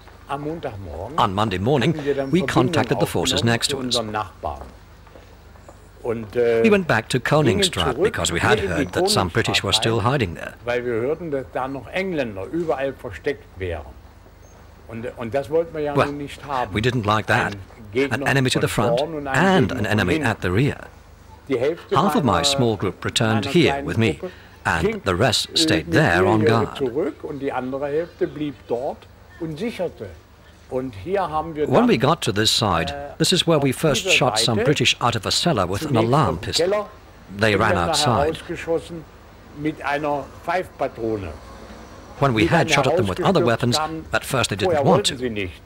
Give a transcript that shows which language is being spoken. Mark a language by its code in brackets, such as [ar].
[en] On Monday morning, we contacted the forces next to us. We went back to Königstraat because we had heard that some British were still hiding there. [de] Weil wir hörten, dass da noch Engländer überall versteckt wären. Und das wollten wir ja nun nicht haben. [en] We didn't like that. An enemy to the front and an enemy at the rear. Half of my small group returned here with me, and the rest stayed there on guard. [de] Zurück und die andere Hälfte blieb dort und sicherte. [en] When we got to this side, this is where we first shot some British out of a cellar with an alarm pistol. They ran outside. When we had shot at them with other weapons, at first they didn't want to.